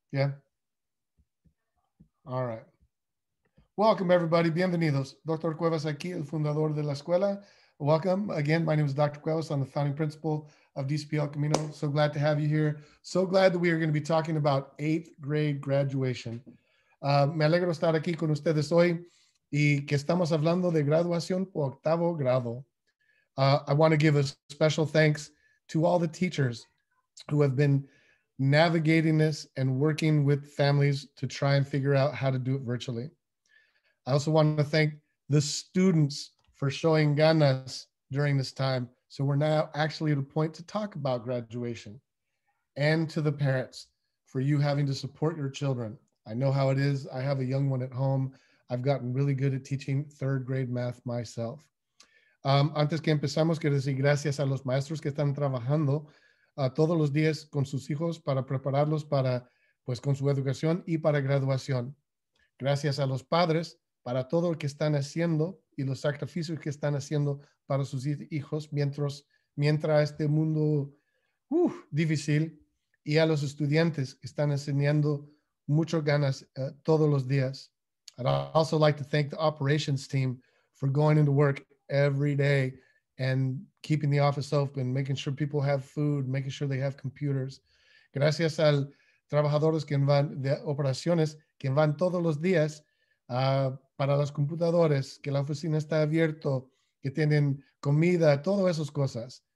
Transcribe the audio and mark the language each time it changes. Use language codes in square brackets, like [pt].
[en] Yeah. All right. Welcome, everybody. [es] Bienvenidos. [en] Dr. Cuevas [es] aquí, el fundador de la escuela. [en] Welcome. Again, my name is Dr. Cuevas. I'm the founding principal of DCPL Camino. So glad to have you here. So glad that we are going to be talking about eighth grade graduation. [es] Me alegro estar aquí con ustedes hoy y que estamos hablando de graduación por octavo grado. [en] I want to give a special thanks to all the teachers who have been navigating this and working with families to try and figure out how to do it virtually. I also want to thank the students for showing ganas during this time. So we're now actually at a point to talk about graduation, and to the parents for you having to support your children. I know how it is. I have a young one at home. I've gotten really good at teaching third grade math myself. [es] Antes que empezamos, quiero decir gracias a los maestros que están trabajando todos los días con sus hijos para prepararlos para, pues, con su educación y para graduación. Gracias a los padres para todo lo que están haciendo y los sacrificios que están haciendo para sus hijos mientras este mundo difícil, y a los estudiantes que están enseñando mucho ganas todos los días. [en] I'd also like to thank the operations team for going into work every day and keeping the office open, making sure people have food, making sure they have computers. [es] Gracias a los trabajadores que van de operaciones, que van todos los días para los computadores, que la oficina está abierto, que tienen comida, todas esas cosas.